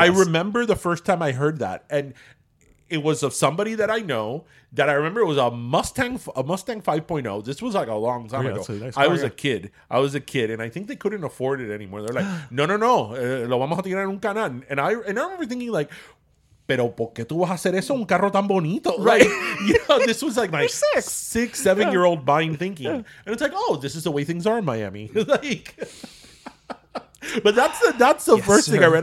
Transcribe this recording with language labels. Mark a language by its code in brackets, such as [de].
[en] I remember the first time I heard that, and it was of somebody that I know that I remember. It was a Mustang 5.0. This was like a long time ago. That's a nice car, I was a kid. I was a kid, and I think they couldn't afford it anymore. They're like, no, [es] lo vamos a tirar en un canal. [en] And I remember thinking like... [es] Pero ¿por qué tú vas a hacer eso un carro tan bonito? [en] Right. Like, you know, this was like my six, seven-year-old mind thinking. Yeah. And it's like, oh, this is the way things are in Miami. Like, but that's the first thing I read.